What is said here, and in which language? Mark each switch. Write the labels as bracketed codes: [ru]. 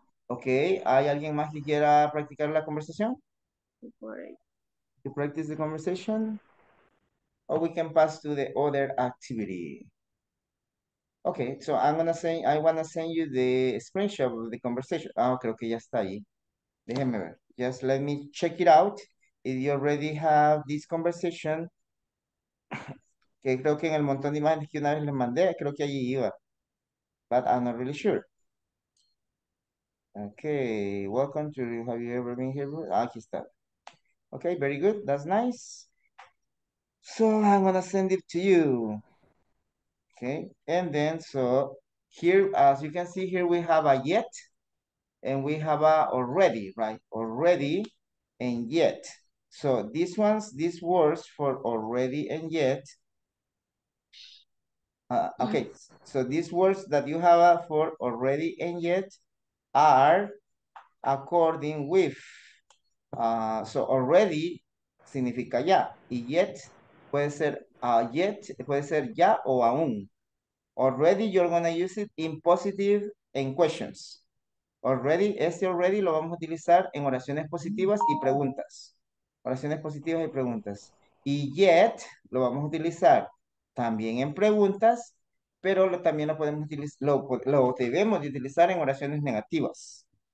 [es] Okay, ¿hay alguien más que quiera practicar la conversación? [en] Great. To practice the conversation? Or we can pass to the other activity. Okay, so I wanna send you the screenshot of the conversation. [es] Ah, creo que ya está ahí. Déjeme ver. [en] Just let me check it out. If you already have this conversation, ok. [es] que creo que en el montón de imágenes que una vez les mandé, creo que allí iba. [en] But I'm not really sure. Okay, welcome to you. Have you ever been here? [es] Ah, aquí está. [en] Okay, very good. That's nice. So I'm gonna send it to you. Okay, and then so here, as you can see here, we have a yet and we have a already, right? Already and yet. So these ones, these words for already and yet. Okay, so these words that you have for already and yet are according with. [es] So already significa ya, y yet puede ser yet, puede ser ya o aún. [en] Already, you're going to use it in positive and questions. [es] Already, este already lo vamos a utilizar en oraciones positivas y preguntas. Oraciones positivas y preguntas. Y yet, lo vamos a utilizar también en preguntas, pero lo, también lo podemos utilizar, lo debemos de utilizar en oraciones negativas.